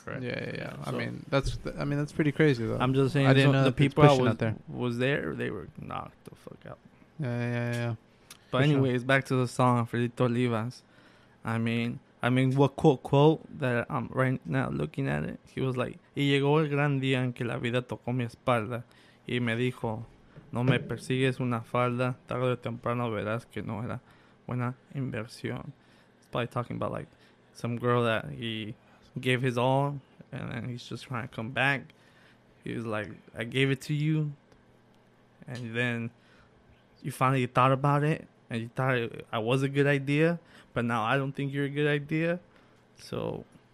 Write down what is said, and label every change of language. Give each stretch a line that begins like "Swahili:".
English: Yeah, correct. Yeah. I mean, that's pretty crazy, though. I'm just saying, I didn't know the people out there. Was there? They were knocked the fuck out. Yeah. But anyways, sure. Back to the song Frito Olivas. I mean, what quote that I'm right now looking at it. He was like,
Spanish: "Y llegó el gran día en que la vida tocó mi espalda y me dijo, no me persigues una falda. Tarde o temprano verás que no era buena inversión."
English: It's probably talking about like some girl that he gave his all, and then he's just trying to come back. He was like, I gave it to you, and then you finally thought about it, and you thought I was a good idea, but now I don't think you're a good idea, so.